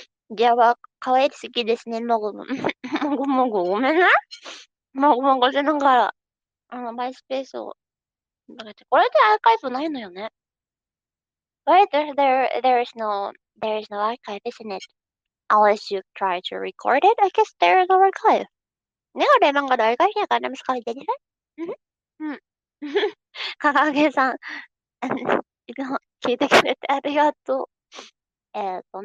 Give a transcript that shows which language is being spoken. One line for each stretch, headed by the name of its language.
Japanese: じゃあ、可愛すぎですね、もぐもぐ。もぐもぐ、ごめんね。もぐもぐしながら、マイスペースを。これでアーカイブないのよね。
English: Wait, there is no archive, isn't it? Unless you try to record it, I guess there is no archive. ねがれまんがだいがいやがなむすかいでね。
Japanese: かかげさん、いつも聞いてくれてありがとう。